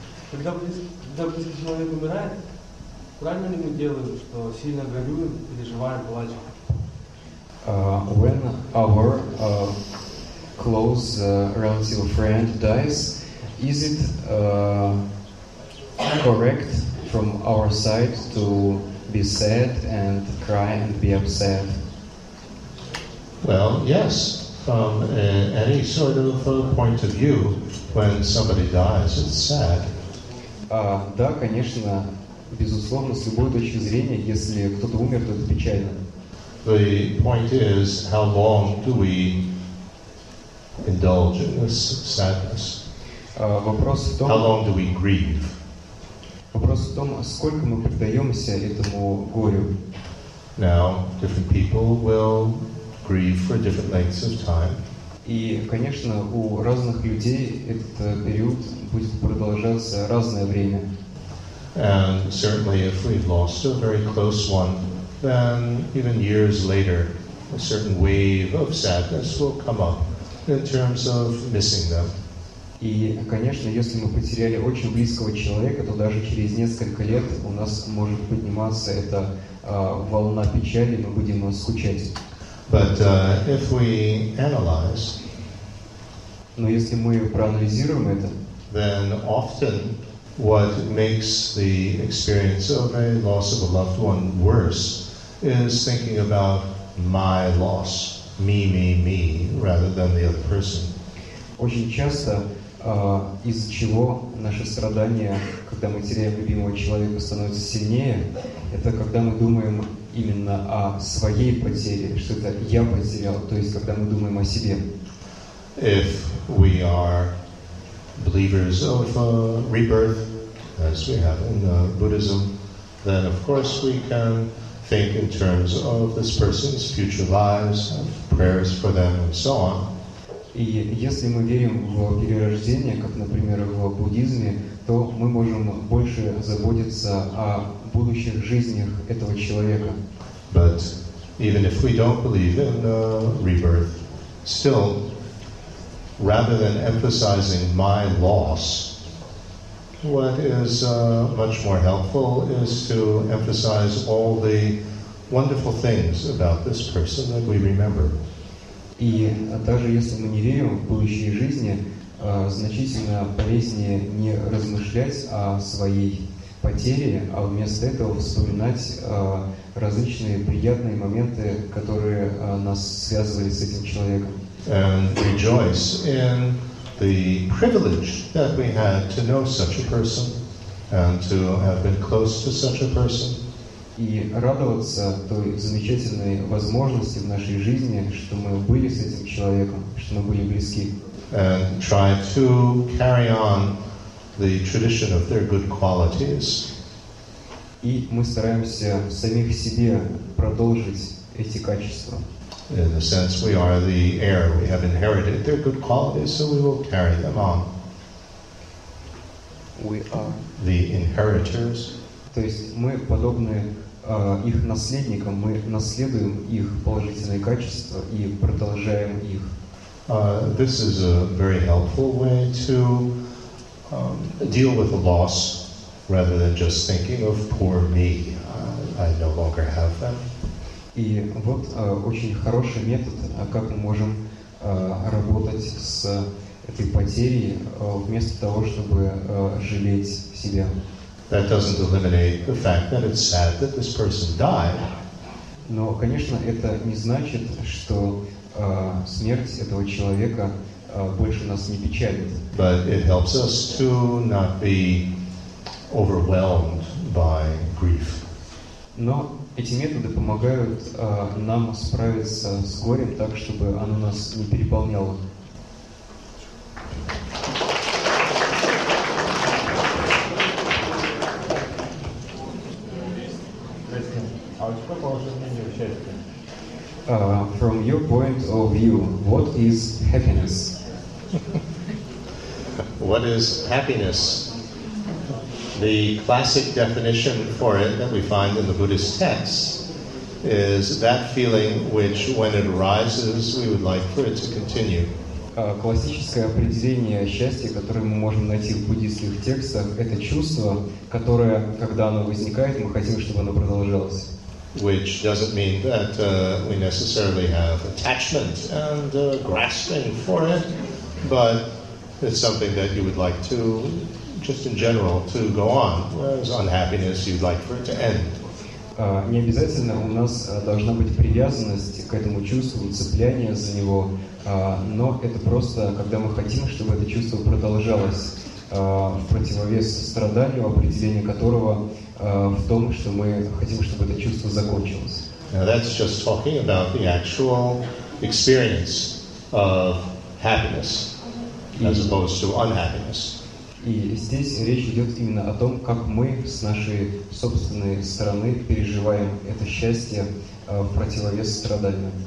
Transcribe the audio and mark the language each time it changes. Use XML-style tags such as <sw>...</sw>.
<ru>Когда близкий человек умирает, правильно ли мы делаем, что сильно горюем, переживаем, плачем?</ru> <en>When our close relative or friend dies, is it correct from our side to be sad and cry and be upset? Well, yes. From any sort of point of view, when somebody dies, it's sad.</en> <ru>Да, конечно, безусловно, с любой точки зрения, если кто-то умер, то это печально.</ru> <en>The point is, how long do we indulge in this sadness?</en> <ru>Вопрос в том,</ru> <en>how long do we grieve?</en> <ru>Вопрос в том, сколько мы предаемся этому горю.</ru> <en>Now, different people will grieve for different lengths of time.</en> <ru>И, конечно, у разных людей этот период будет продолжаться разное время.</ru> <en>And certainly if we've lost a very close one, then even years later, a certain wave of sadness will come up in terms of missing them.</en> <ru>И, конечно, если мы потеряли очень близкого человека, то даже через несколько лет у нас может подниматься эта волна печали, мы будем скучать.</ru> <en>But if we analyze,</en> <ru>но если мы проанализируем это,</ru> <en>then often what makes the experience of a loss of a loved one worse is thinking about my loss, me, rather than the other person.</en> <ru>Очень часто из-за чего наши страдания, когда мы теряем любимого человека, становятся сильнее, это когда мы думаем именно о своей потере, что это я потерял, то есть когда мы думаем о себе.</ru> <en>If we are believers of rebirth, as we have in Buddhism, then of course we can think in terms of this person's future lives, and prayers for them, and so on.</en> <ru>И если мы верим в перерождение, как, например, в буддизме, то мы можем больше заботиться о будущих жизнях этого человека.</ru> <en>But even if we don't believe in rebirth, still, rather than emphasizing my loss, what is much more helpful is to emphasize all the wonderful things about this person that we remember.</en> <ru>И даже если мы не верим в будущие жизни, значительно полезнее не размышлять о своей потере, а вместо этого вспоминать различные приятные моменты, которые нас связывали с этим человеком.</ru> <en>And rejoice in the privilege that we had to know such a person and to have been close to such a person.</en> <ru>И радоваться той замечательной возможности в нашей жизни, что мы были с этим человеком, что мы были близки.</ru> <en>And try to carry on the tradition of their good qualities.</en> <ru>И мы стараемся самих себе продолжить эти качества.</ru> <en>In the sense we are the heir, we have inherited their good qualities, so we will carry them on. We are the inheritors.</en> <ru>То есть мы подобны их наследникам, мы наследуем их положительные качества и продолжаем их.</ru> <en>This is a very helpful way to deal with a loss rather than just thinking of poor me. I no longer have them.</en> <ru>И вот очень хороший метод, как мы можем работать с этой потерей вместо того, чтобы жалеть себя.</ru> <en>That doesn't eliminate the fact that it's sad that this person died.</en> <ru>Но, конечно, это не значит, что смерть этого человека больше нас не печалит.</ru> <en>But it helps us to not be overwhelmed by grief.</en> <ru>Но эти методы помогают нам справиться с горем так, чтобы оно нас не переполняло.</ru> <en>From your point of view, what is happiness? What is happiness? The classic definition for it that we find in the Buddhist texts is that feeling which, when it arises, we would like for it to continue.</en> <ru>Классическое определение счастья, которое мы можем найти в буддийских текстах, это чувство, которое, когда оно возникает, мы хотим, чтобы оно продолжалось.</ru> <en>Which doesn't mean that we necessarily have attachment and grasping for it, but it's something that you would like to, just in general, to go on, whereas unhappiness you'd like for it to end.</en> <ru>Не обязательно у нас должна быть привязанность к этому чувству, цепляние за него, но это просто, когда мы хотим, чтобы это чувство продолжалось, в противовес страданию, определение которого в том, что мы хотим, чтобы это чувство закончилось.</ru> <en>Now that's just talking about the actual experience of happiness as opposed to unhappiness.</en> <ru>И здесь речь идет именно о том, как мы с нашей собственной стороны переживаем это счастье, в противовес страданиям.</ru>